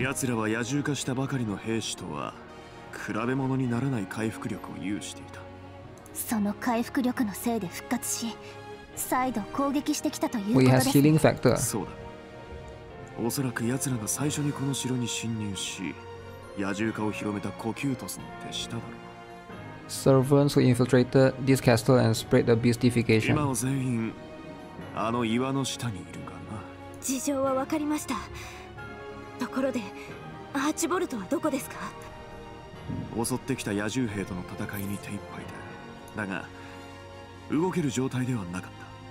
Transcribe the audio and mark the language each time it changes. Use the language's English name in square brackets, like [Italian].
[Japanese] 奴らは野獣化したばかりの兵士とは。比べ物にならない回復力を有していた。その回復力のせいで復活し、再度攻撃してきたということです。 [English] We have healing factor. [Japanese] そうだ。おそらく奴らが最初にこの城に侵入し、野獣化を広めたコキュートスの手下だろう。 [English] Servants who infiltrated this castle and spread the beastification. [Japanese] 今は全員あの岩の下にいるがな。事情はわかりました。ところで、アーチボルトはどこですか？襲ってきた野獣兵との戦いに手一杯で、だが動ける状態ではなかった。